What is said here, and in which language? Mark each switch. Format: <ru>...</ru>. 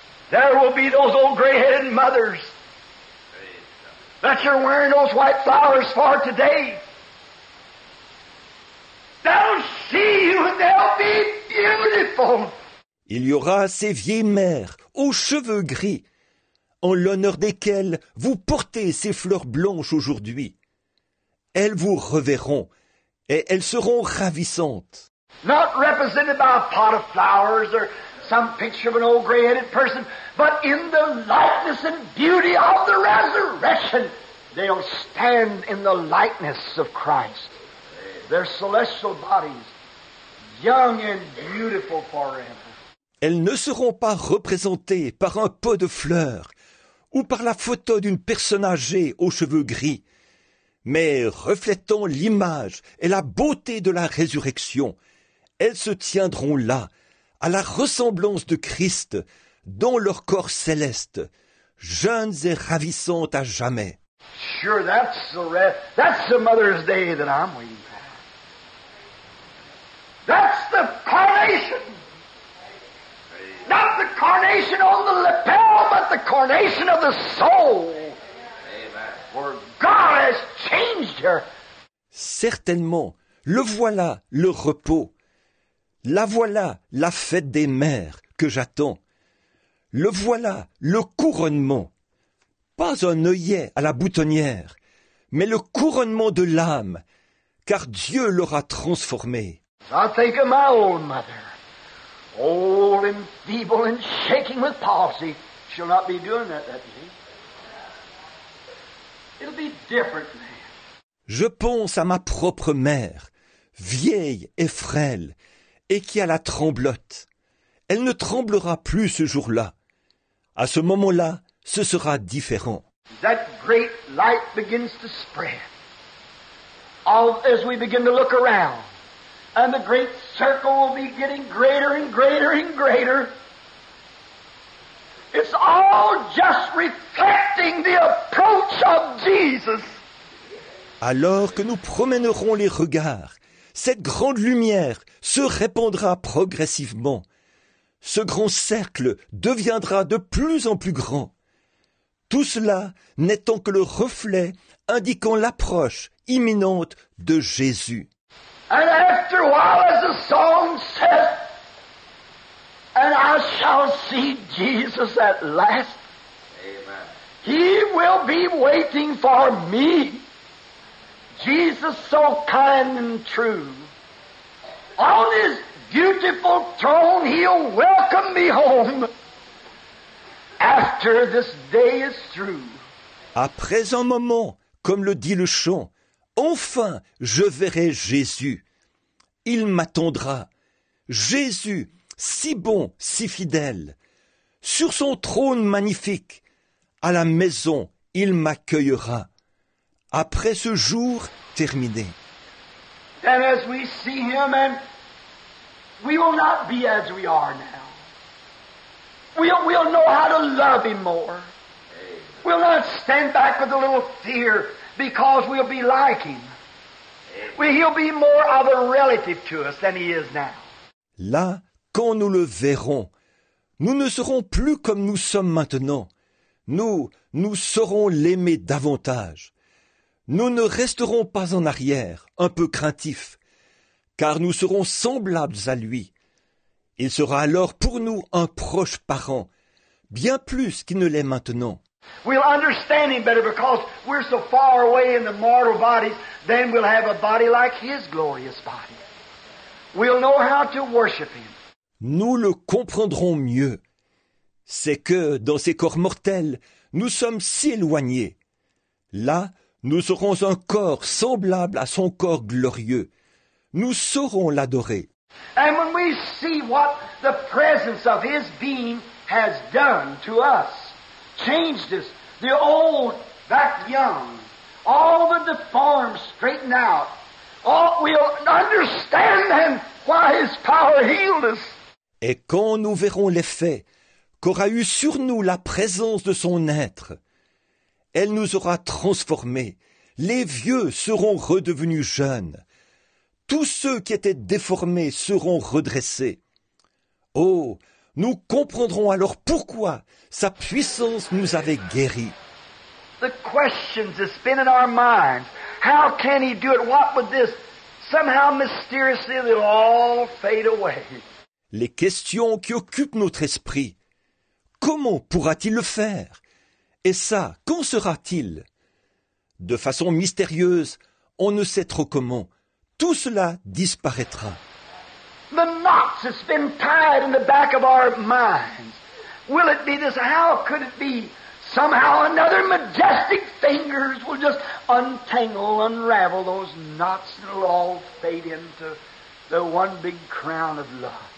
<en>There will be those old gray-headed mothers that you're wearing those white flowers for today. They'll see you and they'll be beautiful.</en> <fr>Il y aura ces vieilles mères aux cheveux gris, en l'honneur desquelles vous portez ces fleurs blanches aujourd'hui. Elles vous reverront et elles seront ravissantes.</fr> <en>Not represented by a pot of flowers or some picture of an old gray-headed person, but in the likeness and beauty of the resurrection, they'll stand in the likeness of Christ. Their celestial bodies, young and beautiful forever.</en> <fr>Elles ne seront pas représentées par un pot de fleurs ou par la photo d'une personne âgée aux cheveux gris, mais reflétant l'image et la beauté de la résurrection, elles se tiendront là, à la ressemblance de Christ dans leur corps céleste, jeunes et ravissantes à jamais.</fr> <en>Sure, that's the Mother's Day that I'm waiting for. That's the coronation. Not the coronation on the lapel, but the coronation of the soul. For God has changed her.</en> <fr>Certainement, le voilà, le repos. La voilà, la fête des mères que j'attends. Le voilà, le couronnement. Pas un œillet à la boutonnière, mais le couronnement de l'âme, car Dieu l'aura transformée.</fr> <en>I think of my old mother, old and feeble and shaking with palsy. She'll not be doing that day. It'll be different now.</en> <fr>Je pense à ma propre mère, vieille et frêle, et qui a la tremblote. Elle ne tremblera plus ce jour-là. À ce moment-là, ce sera différent.</fr> <en>That great light begins to spread. All as we begin to look around, and the great circle will be getting greater and greater and greater. It's all just reflecting the approach of Jesus.</en> <fr>Alors que nous promènerons les regards, cette grande lumière se répandra progressivement. Ce grand cercle deviendra de plus en plus grand. Tout cela n'étant que le reflet indiquant l'approche imminente de Jésus.</fr> <en>And after a while, as the song says, and I shall see Jesus at last. Amen. He will be waiting for me. Jesus, so kind and true. On his beautiful throne, he'll welcome me home after this day is through.</en> <fr>Après un moment, comme le dit le chant, enfin je verrai Jésus. Il m'attendra. Jésus, si bon, si fidèle. Sur son trône magnifique, à la maison, il m'accueillera. Après ce jour, terminé.</fr> <en>And as we see him, and we will not be as we are now. We'll know how to love him more. We'll not stand back with a little fear because we'll be like him. He'll be more of a relative to us than he is now.</en> <fr>Là, quand nous le verrons, nous ne serons plus comme nous sommes maintenant. Nous saurons l'aimer davantage. Nous ne resterons pas en arrière, un peu craintifs, car nous serons semblables à lui. Il sera alors pour nous un proche parent, bien plus qu'il ne l'est maintenant.</fr> <en>We'll understand him better because we're so far away in the mortal bodies, then we'll have a body like his glorious body. We'll know how to worship him.</en> <fr>Nous le comprendrons mieux. C'est que dans ces corps mortels, nous sommes si éloignés. Là, nous aurons un corps semblable à son corps glorieux. Nous saurons l'adorer.</fr> <en>And when we see what the presence of his being has done to us, changed us, the old back young, all the deformed straightened out, all, we'll understand then why his power healed us.</en> <fr>Et quand nous verrons l'effet qu'aura eu sur nous la présence de son être, elle nous aura transformés. Les vieux seront redevenus jeunes. Tous ceux qui étaient déformés seront redressés. Oh, nous comprendrons alors pourquoi sa puissance nous avait guéris.</fr> <en>The questions that spin in our minds. How can he do it? What would this? Somehow mysteriously they'll all fade away.</en> <fr>Les questions qui occupent notre esprit. Comment pourra-t-il le faire? Et ça, quand sera-t-il? De façon mystérieuse, on ne sait trop comment. Tout cela disparaîtra.</fr> <en>The knots that's been tied in the back of our minds. Will it be this? How could it be? Somehow another majestic fingers will just untangle, unravel those knots and it'll all fade into the one big crown of love.</en>